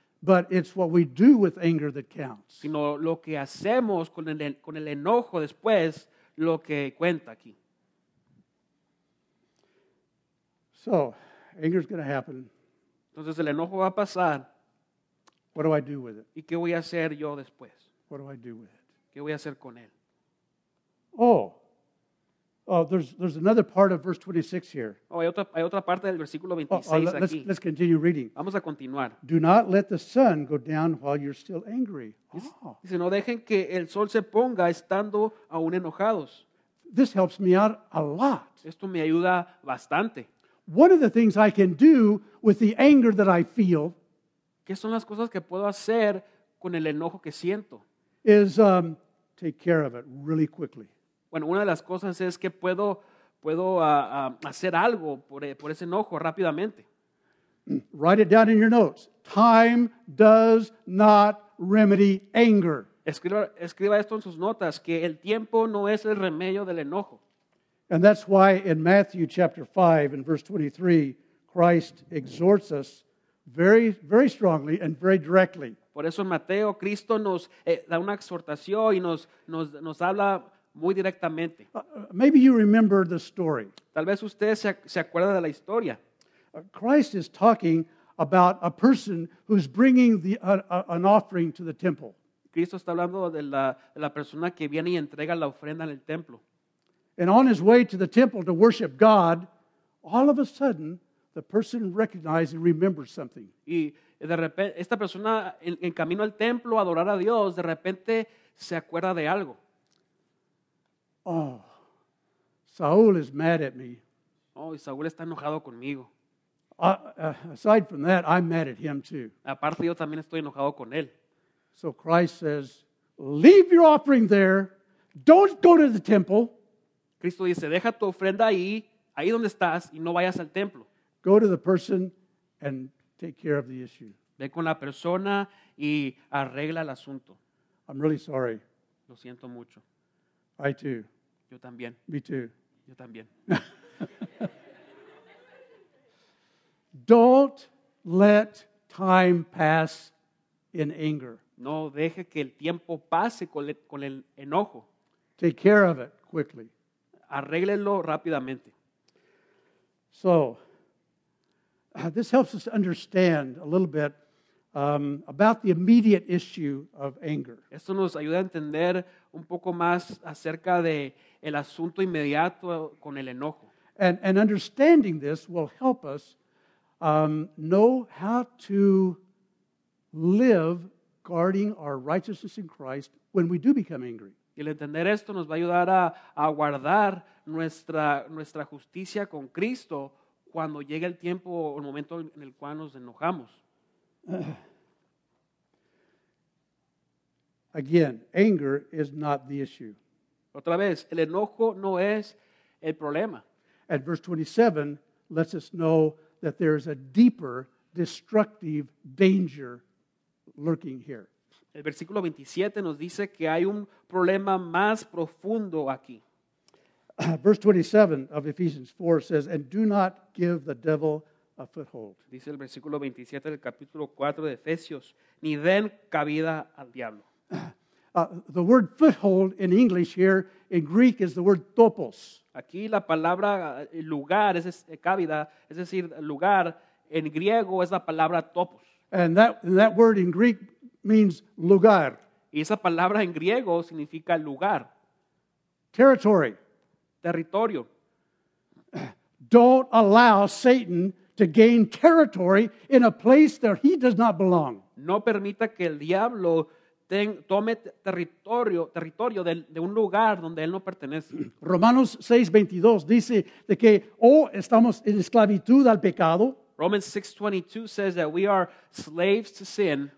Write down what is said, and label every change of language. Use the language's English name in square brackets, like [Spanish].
[English] But it's what we do with anger that counts. [Spanish] Sino lo que hacemos con el enojo después, lo que cuenta aquí. [English] So, anger is going to happen. [Spanish] Entonces el enojo va a pasar. [English] What do I do with it? [Spanish] ¿Y qué voy a hacer yo después? [English] What do I do with it? [Spanish] ¿Qué voy a hacer con él? [English] Oh, there's another part of verse 26 here. [Spanish] Oh, hay otra parte del versículo 26 aquí. [English] Let's continue reading. [Spanish] Vamos a continuar. [English] Do not let the sun go down while you're still angry. Oh. [Spanish] Dice, no dejen que el sol se ponga estando aún enojados. [English] This helps me out a lot. [Spanish] Esto me ayuda bastante. [English] One of the things I can do with the anger that I feel, [Spanish] ¿qué son las cosas que puedo hacer con el enojo que siento? [English] Is take care of it really quickly. [Spanish] Bueno, una de las cosas es que puedo hacer algo por ese enojo rápidamente. [English] Write it down in your notes. Time does not remedy anger. [Spanish] Escriba esto en sus notas, que el tiempo no es el remedio del enojo. [English] And that's why in Matthew chapter 5 and verse 23, Christ exhorts us very, very strongly and very directly. [Spanish] Por eso en Mateo, Cristo nos da una exhortación y nos habla muy directamente. [English] Maybe you remember the story. [Spanish] Tal vez usted se acuerda de la historia. [English] Christ is talking about a person who's bringing the an offering to the temple. [Spanish] Cristo está hablando de la persona que viene y entrega la ofrenda en el templo. [English] And on his way to the temple to worship God, all of a sudden, the person recognizes and remembers something. [Spanish] Y de repente, esta persona en camino al templo a adorar a Dios, de repente se acuerda de algo. [English] Oh, Saul is mad at me. [Spanish] Oh, Saul está enojado conmigo. [English] Aside from that, I'm mad at him too. [Spanish] Aparte, yo también estoy enojado con él. [English] So Christ says, leave your offering there. Don't go to the temple. [Spanish] Cristo dice, deja tu ofrenda ahí, ahí donde estás, y no vayas al templo. [English] Go to the person and take care of the issue. [Spanish] Ve con la persona y arregla el asunto. [English] I'm really sorry. [Spanish] Lo siento mucho. [English] I too. [Spanish] Yo también. [English] Me too. [Spanish] Yo también. [English] Don't let time pass in anger. [Spanish] No deje que el tiempo pase con el enojo. [English] Take care of it quickly. [Spanish] Arréglelo rápidamente. [English] So, this helps us understand a little bit about the immediate issue of anger. [Spanish] Esto nos ayuda a entender un poco más acerca de el asunto inmediato con el enojo. [English] And understanding this will help us know how to live guarding our righteousness in Christ when we do become angry. [Spanish] Y el entender esto nos va a ayudar a guardar nuestra justicia con Cristo cuando llegue el tiempo o el momento en el cual nos enojamos. [English] Again, anger is not the issue. [Spanish] Otra vez, el enojo no es el problema. [English] And verse 27 lets us know that there is a deeper destructive danger lurking here. [Spanish] El versículo 27 nos dice que hay un problema más profundo aquí. [English] Verse 27 of Ephesians 4 says, and do not give the devil a foothold. [Spanish] Dice el versículo 27 del capítulo 4 de Efesios, ni den cabida al diablo. [English] The word foothold in English here, in Greek, is the word topos. [Spanish] Aquí la palabra lugar, es cabida, es decir, lugar, en griego es la palabra topos. [English] And that word in Greek means lugar. [Spanish] Y esa palabra en griego significa lugar. [English] Territory. [Spanish] Territorio. [English] Don't allow Satan to gain territory in a place where he does not belong. [Spanish] No permita que el diablo tome territorio de un lugar donde él no pertenece. Romanos 6:22 dice de que estamos en esclavitud al pecado. [English] Romans 6:22 says that we are slaves to sin.